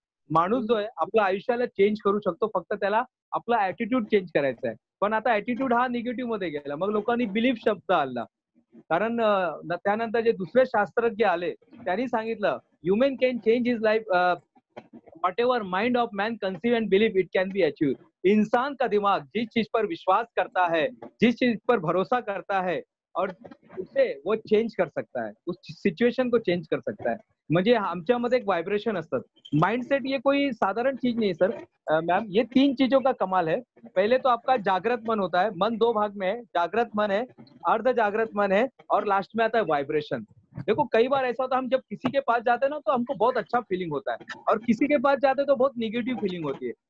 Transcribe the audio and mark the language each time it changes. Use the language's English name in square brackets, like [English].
[Marathi] माणूस जो आहे आपल्या आयुष्याला चेंज करू शकतो, फक्त त्याला आपला ऍटिट्यूड चेंज करायचा आहे. पण आता ऍटिट्यूड हा निगेटिव्ह मध्ये गेला, मग लोकांनी बिलीफ शब्द आणला. कारण त्यानंतर जे दुसरे शास्त्रज्ञ आले त्यांनी सांगितलं, [English] Human can change his life, whatever mind of man conceive and believe it can be achieve. [Hindi] इंसान का दिमाग जिस चीज पर विश्वास करता है, जिस चीज पर भरोसा करता है और उसे वो चेंज कर सकता है, उस सिचुएशन को चेंज कर सकता है. [Marathi] म्हणजे आमच्या मध्ये एक व्हायब्रेशन असतात. [Hindi] माइंडसेट ये कोई साधारण चीज नहीं सर. मॅम, ये तीन चीजों का कमाल है. पहले तो आपका जागृत मन होता है. मन दो भाग में है, जागृत मन है, अर्ध जागृत मन है और लास्ट में आता है व्हायब्रेशन. देखो, कई बार ऐसा होता है, हम जब किसी के पास जाते हैं ना तो हमको बहुत अच्छा फीलिंग होता है और किसी के पास जाते हैं तो बहुत निगेटिव फीलिंग होती है.